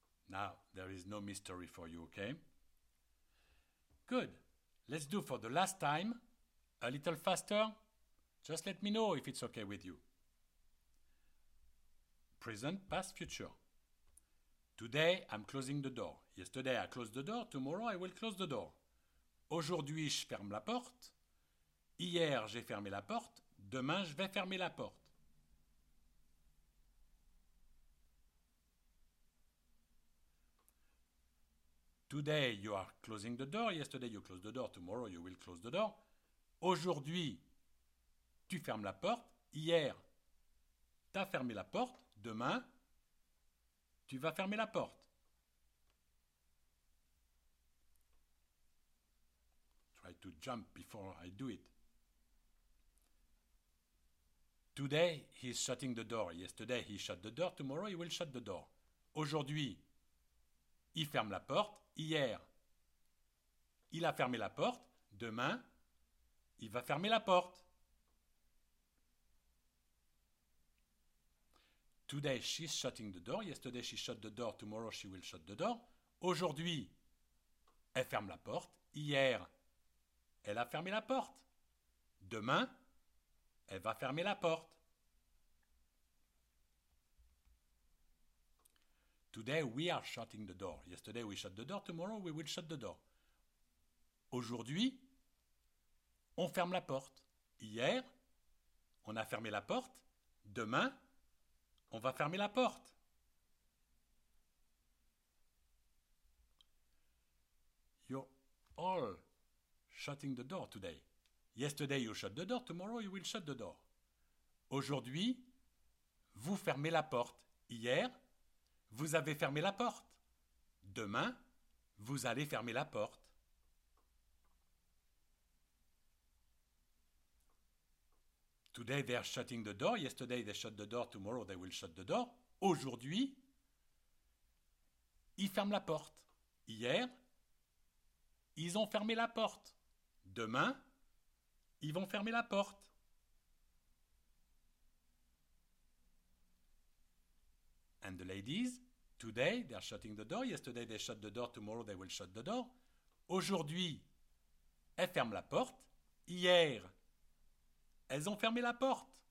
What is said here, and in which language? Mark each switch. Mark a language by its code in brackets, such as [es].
[en] Now, there is no mystery for you, okay? Good. Let's do for the last time. A little faster. Just let me know if it's okay with you. Present, past, future. Today, I'm closing the door. Yesterday, I closed the door. Tomorrow, I will close the door. [fr] Aujourd'hui, je ferme la porte. Hier, j'ai fermé la porte. Demain, je vais fermer la porte. [en] Today, you are closing the door. Yesterday, you closed the door. Tomorrow, you will close the door. [fr] Aujourd'hui, tu fermes la porte. Hier, tu as fermé la porte. Demain, tu vas fermer la porte. [en] Try to jump before I do it. Today, he's shutting the door. Yesterday, he shut the door. Tomorrow, he will shut the door. [fr] Aujourd'hui, il ferme la porte. Hier, il a fermé la porte. Demain, il va fermer la porte. [en] Today, she's shutting the door. Yesterday, she shut the door. Tomorrow, she will shut the door. [fr] Aujourd'hui, elle ferme la porte. Hier, elle a fermé la porte. Demain, elle va fermer la porte. [en] Today, we are shutting the door. Yesterday, we shut the door. Tomorrow, we will shut the door. [fr] Aujourd'hui, on ferme la porte. Hier, on a fermé la porte. Demain, on va fermer la porte. [en] You're all shutting the door today. Yesterday, you shut the door. Tomorrow, you will shut the door. [fr] Aujourd'hui, vous fermez la porte. Hier, vous avez fermé la porte. Demain, vous allez fermer la porte. [en] Today, they are shutting the door. Yesterday, they shut the door. Tomorrow, they will shut the door. [fr] Aujourd'hui, ils ferment la porte. Hier, ils ont fermé la porte. Demain, ils vont fermer la porte. [en] And the ladies, today, they are shutting the door. Yesterday, they shut the door. Tomorrow, they will shut the door. [fr] Aujourd'hui, elles ferment la porte. Hier, elles ont fermé la porte.